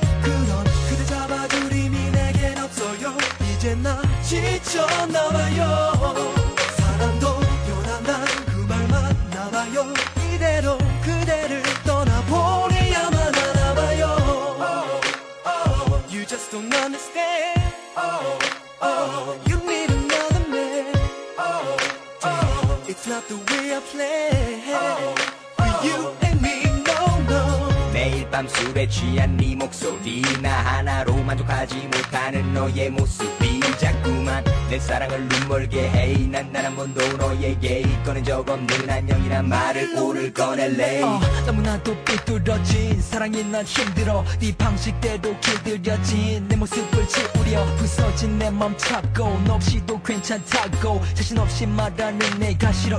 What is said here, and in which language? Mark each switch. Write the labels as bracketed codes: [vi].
[ko] 그런 그대 잡아주림이 내겐 없어요. 이제 나 지쳐나와요. 사랑도 변한단 그 말만 남아요. 이대로 그대를 떠나보내야만 하나 봐요. Oh, oh, oh, oh. [en] You just don't understand. You need another man. Oh, oh, it's not the way I play. Oh, oh, for you and me, no, no. [ko] 매일 밤 술에 취한 네 목소리 나 하나로 만족하지 못하는 너의 모습이 자꾸만 내 사랑을 눈멀게 해. 난 한 번도 너에게 꺼낸 적 없는 안녕이란 말을 오를 꺼낼래. 너무나도 삐뚤어진 사랑이 난 힘들어. 네 방식대로 길들여진 내 모습을 채우려 부서진 내 맘 찾고 너 없이도 괜찮다고 자신 없이 말하는 내가 싫어.